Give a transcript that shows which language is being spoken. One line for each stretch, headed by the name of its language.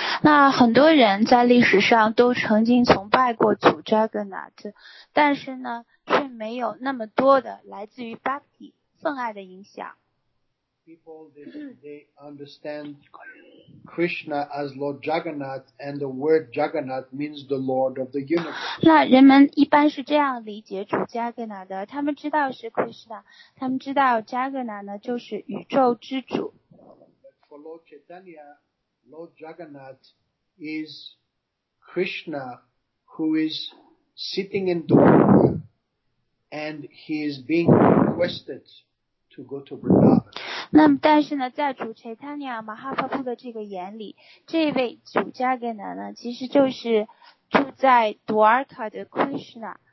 Chinese: 那很多人在历史上都曾经崇拜过主 Jagannath， 但是呢却没有那么多的来自于 Bhakti 分爱的影响。
English: People, they understand Krishna as Lord Jagannath, and the word Jagannath means the Lord of the universe.
Chinese: 那人们一般是这样理解主加格纳的，他们知道是 Krishna， 他们知道加格纳呢就是宇宙之主。
English: But for Lord Chaitanya, Lord Jagannath is Krishna who is sitting in Dwarka, and he is being requested to go to Vrindavan.
Chinese: 那么但是呢在主 Chaitanya Mahaprabhu 的这个眼里，这位主加格纳呢其实就是住在 Dwarka 的 Krishna。